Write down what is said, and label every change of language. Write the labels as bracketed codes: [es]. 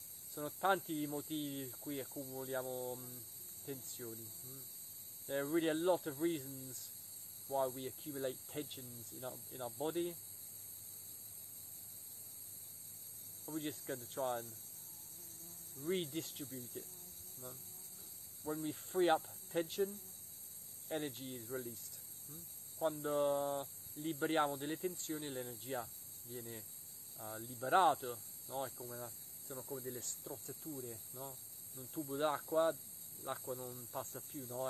[it] Sono tanti i motivi per cui accumuliamo tensioni. [en] There are really a lot of reasons why we accumulate tensions in our body. We're just going to try and redistribute it. No? When we free up tension, energy is released. [it] Quando liberiamo delle tensioni, l'energia viene liberato, no? È come sono come delle strozzature, no? In un tubo d'acqua, l'acqua non passa più, no?